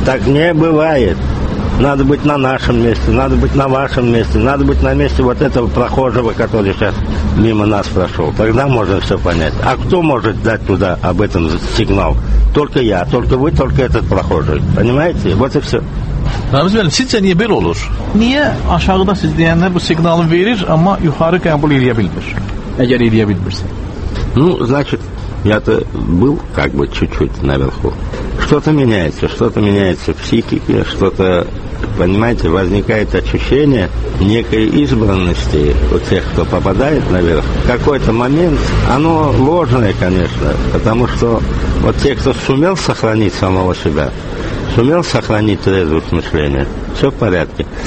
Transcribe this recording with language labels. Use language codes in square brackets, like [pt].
[ru] Так не бывает. Надо быть на нашем месте, надо быть на вашем месте, надо быть на месте вот этого прохожего, который сейчас мимо нас прошел. Тогда можно все понять. А кто может дать туда об этом сигнал? Только я, только вы, только этот прохожий. Понимаете? Вот и все. [az] Namiz müəllim, sizcə niyə belə olur? Niyə aşağıda siz deyənlər bu siqnalı verir, amma yuxarı qəbul edə bilmir? Əgər edə bilmirsə. [ru] Ну, значит, я-то был как бы чуть-чуть наверху. Что-то меняется в психике, что-то, понимаете, возникает ощущение некой избранности у тех, кто попадает наверх. Какой-то момент, оно ложное, конечно, потому что вот те, кто сумел сохранить самого себя, сумел сохранить трезвость мышления, все в порядке.